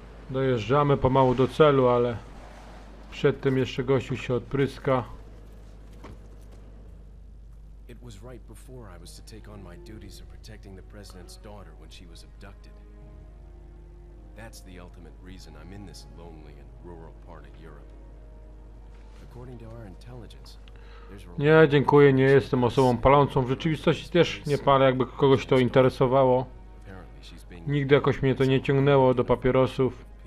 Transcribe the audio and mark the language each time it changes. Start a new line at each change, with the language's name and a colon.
Polish: Dojeżdżamy pomału do celu, ale przed tym jeszcze gościu się odpryska.
English: It was right before I was to take on my duties of protecting the president's daughter when she was abducted. That's the ultimate reason I'm in this lonely and rural part of Europe. According to our intelligence, there's a...
Polish: Nie, dziękuję, nie jestem osobą palącą. W rzeczywistości też nie palę, jakby kogoś to interesowało. Nigdy jakoś mnie to nie ciągnęło do papierosów.